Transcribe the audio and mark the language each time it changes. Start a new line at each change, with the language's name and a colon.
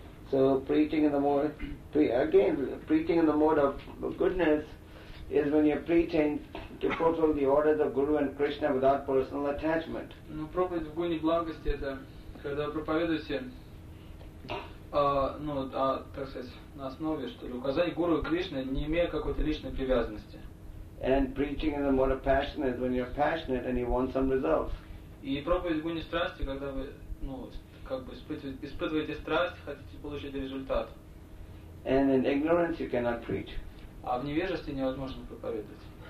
English: So preaching in the mode, again, preaching in the mode of goodness, is when you're preaching to fulfill the orders of Guru and Krishna without personal attachment.
Russian: Ну, проповедь в гуне благости это когда вы проповедуете, ну, так сказать, на основе, что ли, указаний Гуру и Кришны, не имея какой-то личной привязанности.
English: And preaching in the mode of passion is when you're passionate and you want some results.
Russian: И проповедь в гуне страсти, когда вы, ну, как бы испытываете страсть, хотите получить результат.
English: And in ignorance you cannot preach.
Russian: А в невежестве невозможно проповедовать.